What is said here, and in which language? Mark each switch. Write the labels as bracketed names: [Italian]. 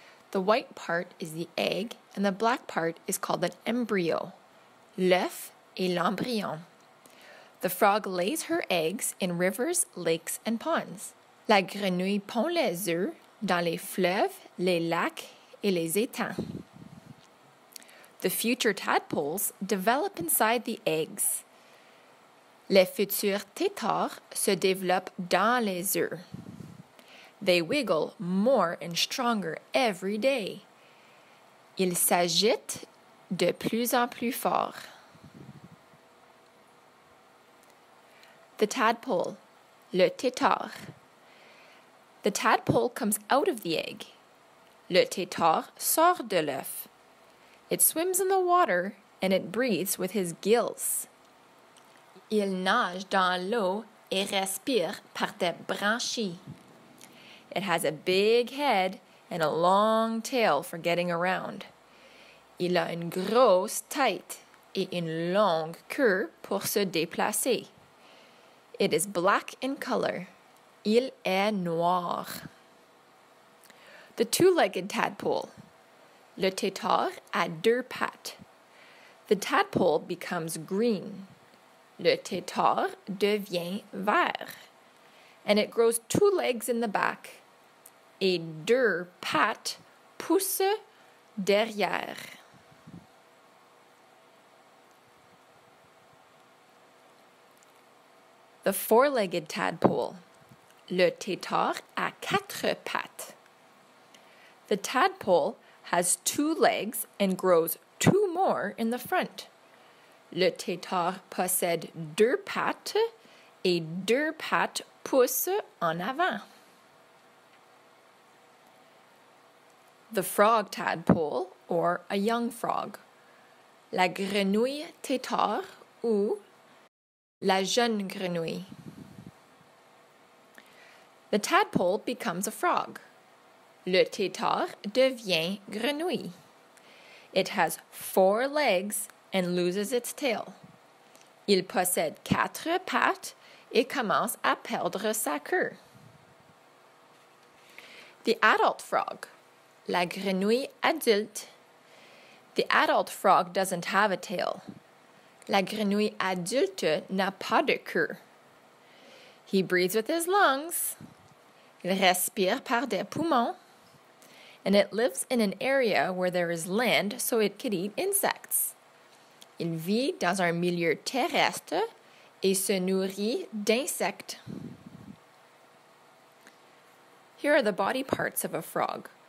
[English] The white part is the egg and the black part is called an embryo. [French] L'œuf est l'embryon. [English] The frog lays her eggs in rivers, lakes, and ponds. [French] La grenouille pond les œufs dans les fleuves, les lacs et les étangs. [English] The future tadpoles develop inside the eggs. [French] Les futurs têtards se développent dans les œufs. [English] They wiggle more and stronger every day. [French] Ils s'agitent de plus en plus fort. [English] The tadpole, [French] le têtard. [English] The tadpole comes out of the egg. [French] Le têtard sort de l'œuf. [English] It swims in the water and it breathes with his gills. [French] Il nage dans l'eau et respire par des branchies. [English] It has a big head and a long tail for getting around. [French] Il a une grosse tête et une longue queue pour se déplacer. [English] It is black in color. [French] Il est noir. [English] The two-legged tadpole. [French] Le têtard a deux pattes. [English] The tadpole becomes green. [French] Le têtard devient vert. [English] And it grows two legs in the back. [French] Et deux pattes poussent derrière. [English] The four-legged tadpole. [French] Le têtard a quatre pattes. [English] The tadpole has two legs and grows two more in the front. [French] Le têtard possède deux pattes et deux pattes poussent en avant. [English] The frog tadpole, or a young frog. [French] La grenouille têtard ou la jeune grenouille. [English] The tadpole becomes a frog. [French] Le têtard devient grenouille. [English] It has four legs and loses its tail. [French] Il possède quatre pattes et commence à perdre sa queue. [English] The adult frog. [French] La grenouille adulte. [English] The adult frog doesn't have a tail. [French] La grenouille adulte n'a pas de queue. [English] He breathes with his lungs. [French] Il respire par des poumons. [English] And it lives in an area where there is land so it could eat insects. [French] Il vit dans un milieu terrestre et se nourrit d'insectes. [English] Here are the body parts of a frog.